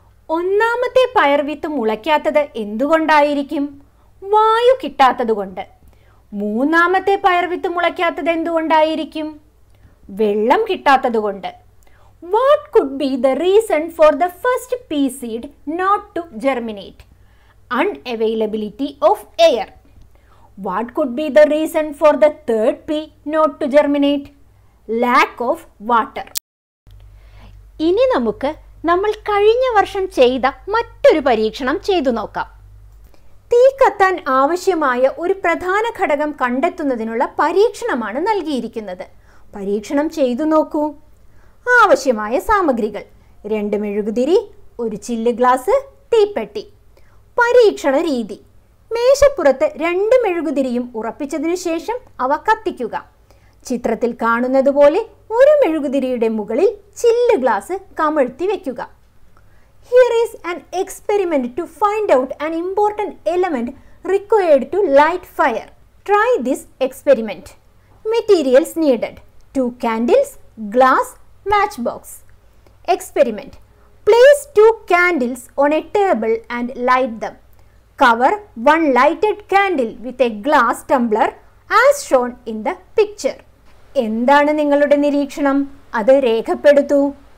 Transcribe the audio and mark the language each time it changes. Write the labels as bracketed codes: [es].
[ml] ഒന്നാമത്തെ പയർ വിത്ത് മുളയ്ക്കാത്തത് എന്തുകൊണ്ടായിരിക്കും? വായു കിട്ടാത്തത് കൊണ്ട്. മൂന്നാമത്തെ പയർ വിത്ത് മുളയ്ക്കാത്തത് എന്തുകൊണ്ടായിരിക്കും? വെള്ളം കിട്ടാത്തത് കൊണ്ട്. [en] What could be the reason for the first pea seed not to germinate? Unavailability of air. What could be the reason for the third pea not to germinate? Lack of water. [ml] ഇനി നമുക്ക് നമ്മൾ കഴിഞ്ഞ വർഷം ചെയ്ത മറ്റൊരു പരീക്ഷണം ചെയ്തു നോക്കാം. തീ കത്താൻ ആവശ്യമായ ഒരു പ്രധാന ഘടകം കണ്ടെത്തുന്നതിനുള്ള പരീക്ഷണമാണ് നൽകിയിരിക്കുന്നത്. പരീക്ഷണം ചെയ്തു നോക്കൂ. ആവശ്യമായ സാമഗ്രികൾ: 2 മെഴുകുതിരി, 1 ചില്ല് ഗ്ലാസ്, തീപ്പെട്ടി. പരീക്ഷണ രീതി: മേശപ്പുറത്ത് 2 മെഴുകുതിരിയും ഉറപ്പിച്ചതിനു ശേഷം അവ കത്തിക്കുക. ചിത്രത്തിൽ കാണുന്നതുപോലെ ഒരു മെഴുകുതിരിയുടെ മുകളിൽ ചില്ല് ഗ്ലാസ് കമഴ്ത്തി വയ്ക്കുക. [en] Here is an experiment to find out an important element required to light fire. Try this experiment. Materials needed: 2 candles, glass, match box. Experiment: Place 2 candles on a table and light them. Cover 1 lighted candle with a glass tumbler as shown in the picture. [ml] എന്താണ് നിങ്ങളുടെ നിരീക്ഷണം? അത് രേഖപ്പെടുത്തൂ.